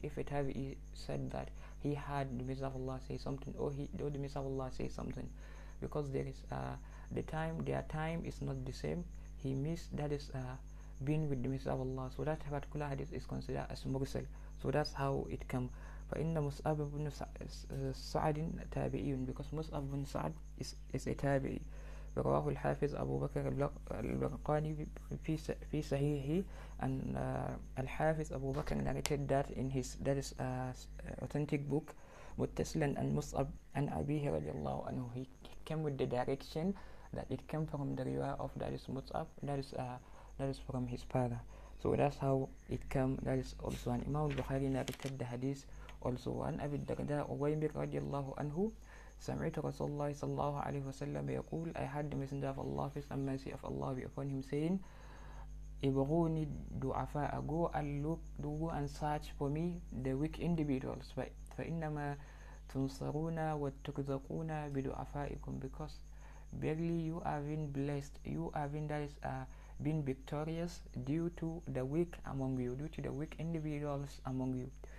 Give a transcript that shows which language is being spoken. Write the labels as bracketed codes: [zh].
[en] If it have said that he had the Messenger of Allah say something, or the Messenger of Allah say something, because there is the time, their time is not the same. He missed that is being with the Messenger of Allah. So that particular hadith is considered as mursal. So that's how it came. [ar] فإن مصعب بن سعد تابعي, because مصعب بن سعد is a تابعي. رواه الحافظ أبو بكر البرقاني في صحيحه, and الحافظ أبو بكر [en] narrated that in his that is authentic book, [ar] متصلا عن مصعب عن أبيه رضي الله عنه. [en] He came with the direction that it came from the river of that is Mus'ab, that is from his father. So that's how it came. That is also an Imam al-Bukhari narrated the hadith also. [ar] عن أبي الدرداء أويمر رضي الله عنه سمعت رسول الله صلى الله عليه وسلم يقول [en] I had the messenger of Allah, peace and mercy of Allah be upon him, saying [ar] ابغوني الدعفاء, [en] go and look, do and search for me the weak individuals, [ar] فإنما تنصرون وترزقون بدعفائكم, [en] because barely you have been blessed, you have been that is been victorious due to the weak among you, due to the weak individuals among you.